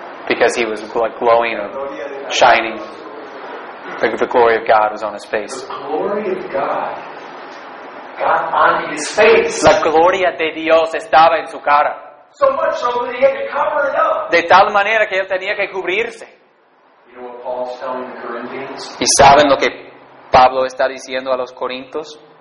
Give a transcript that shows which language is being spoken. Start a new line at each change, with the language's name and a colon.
English: because he was like glowing or shining. The glory of God was on his face. The glory of God on his face.
Spanish: La gloria de Dios estaba en su cara.
English: So much so that he had to cover it up.
Spanish: De tal manera que él tenía que cubrirse.
English: You know what Paul's telling the Corinthians?
Spanish: ¿Y saben lo que Pablo está diciendo a los corintios?